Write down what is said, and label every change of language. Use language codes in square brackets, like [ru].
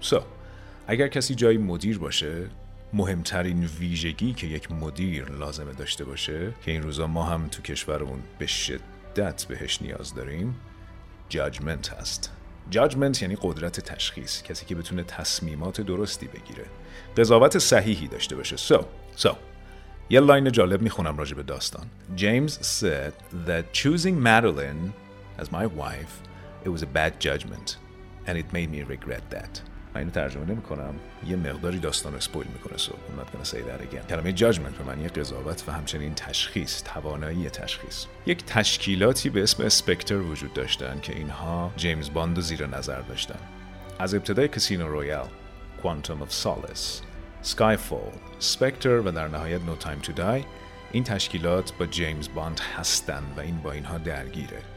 [fa] So اگر کسی جای مدیر باشه، مهمترین ویژگی که یک مدیر لازمه داشته باشه که این روزا ما هم تو کشورمون به شدت بهش نیاز داریم، judgment هست. judgment یعنی قدرت تشخیص، کسی که بتونه تصمیمات درستی بگیره، قضاوت صحیحی داشته باشه. So یه لاین جالب میخونم راجع به داستان. [en] James said that choosing Madeline as my wife, it was a bad judgment and it made me regret that. [fa] من اینو ترجمه نمیکنم، یه مقداری داستان رو اسپویل میکنه. [en] So I'm not gonna say that again. [fa] کلمه judgment به معنی قضاوت و همچنین تشخیص، توانایی تشخیص. یک تشکیلاتی به اسم اسپکتر وجود داشتن که اینها جیمز باند رو زیر نظر داشتن. از ابتدای کسینو رویال، کوانتوم آف سالس، سکای فول، اسپکتر و در نهایت نو تایم تو دای، این تشکیلات با جیمز باند هستن و این با اینها درگیره.